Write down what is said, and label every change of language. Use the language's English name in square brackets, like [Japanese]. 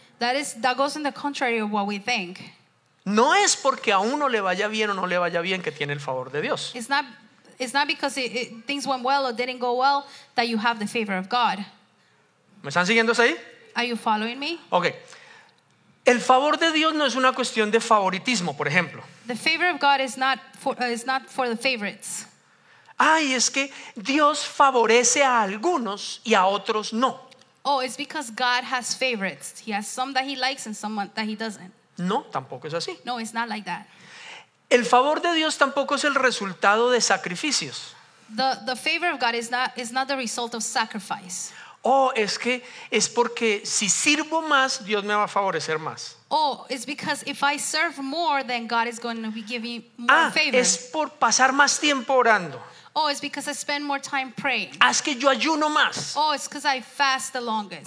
[English] That goes in the contrary of what we think. [Spanish] No es porque a uno le vaya bien o no le vaya bien que tiene el favor de Dios. [English] It's not because things went well or didn't go well that you have the favor of God. [Spanish] ¿Me están siguiendo ahí? [English] Are you following me? Okay. [Spanish] El favor de Dios no es una cuestión de favoritismo, por ejemplo. [English] The favor of God is not for the favorites. [Spanish] Ay, es que Dios favorece a algunos y a otros no. [English] Oh, it's because God has favorites. He has some that he likes and some that he doesn't. [Spanish] No, tampoco es así. [English] No, it's not like that. [Spanish] El favor de Dios tampoco es el resultado de sacrificios. [English] The favor of God is not the result of sacrifice. [Spanish] Oh, es que es porque si sirvo más, Dios me va a favorecer más. [English] Oh, it's because if I serve more, then God is going to be giving more favor. [Spanish] Ah, es por pasar más tiempo orando. [English] Oh, it's because I spend more time praying. [Spanish] Haz que yo ayuno más. [English] Oh, it's because I fast the longest.